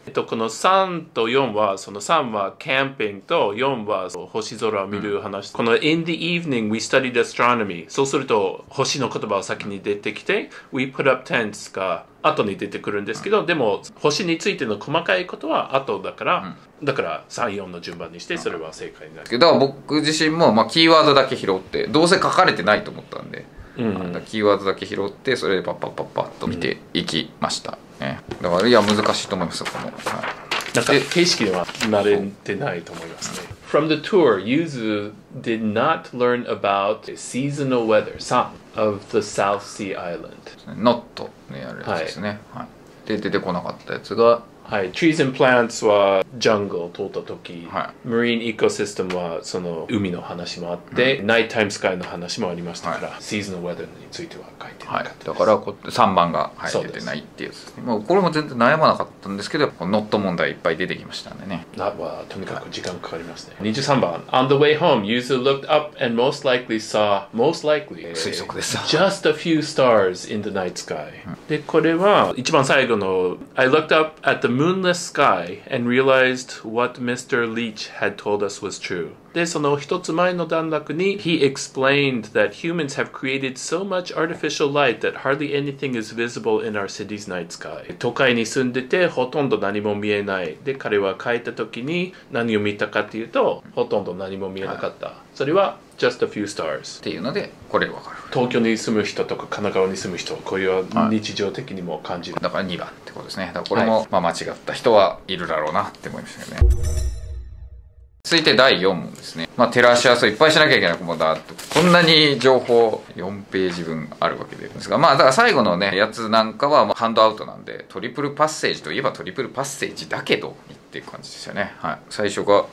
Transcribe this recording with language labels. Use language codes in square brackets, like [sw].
[ja] この3と4はその3はキャンピングと4は星空を見る話、うん、この [en] In the evening we studied astronomy、 [ja] そうすると星の言葉を先に出てきて、うん、 [en] We put up tents [ja] が後に出てくるんですけど、うん、でも星についての細かいことは後だから、うん、だから3、4の順番にしてそれは正解になる、うん、だから僕自身もまあキーワードだけ拾ってどうせ書かれてないと思ったんで、うんうん、キーワードだけ拾ってそれでパッパッパッパッと見ていきました、うんね、だからいや難しいと思いますよ、この、はい、なんか形式では慣れてないと思いますね。 [en] From the tour, Yuzu did not learn about seasonal weather some of the South Sea Island. [ja] Not のやるやつですね、はいはい、で出てこなかったやつが、はい、 [en] Trees and plants [ja] はジャングルを通った時、はい、 [en] Marine ecosystem [ja] はその海の話もあって、うん、 [en] Nighttime sky [ja] の話もありましたから、はい、Seasonal weather については書いてなかったです、はい、だから3番が入ってないっていうやつですね、もうこれも全然悩まなかったんですけど、ノット問題いっぱい出てきましたんでね、 [en] That [ja] はとにかく時間かかりますね、はい、23番 [en] On the way home, user looked up and most likely saw most likely [ja] 推測です [en] Just a few stars in the night sky、 [ja] うん、でこれは一番最後の [en] I looked up at the moonless sky and realized what Mr. Leach had told us was true. [ja] で、その一つ前の段落に [en] He explained that humans have created so much artificial light that hardly anything is visible in our city's night sky. [ja] 都会に住んでてほとんど何も見えない。で、彼は帰った時に何を見たかというと、ほとんど何も見えなかった。それは [en] Just a few stars [ja] っていうのでこれ分かる、東京に住む人とか神奈川に住む人はこういう日常的にも感じる、はい、だから2番ってことですね、だからこれも、はい、まあ、間違った人はいるだろうなって思いましたよね、続いて第4問ですね、まあ、照らし合わせをいっぱいしなきゃいけないことだと、こんなに情報4ページ分あるわけですが、まあだから最後のねやつなんかはハンドアウトなんで、トリプルパッセージといえばトリプルパッセージだけどっていう感じですよね、はい、最初が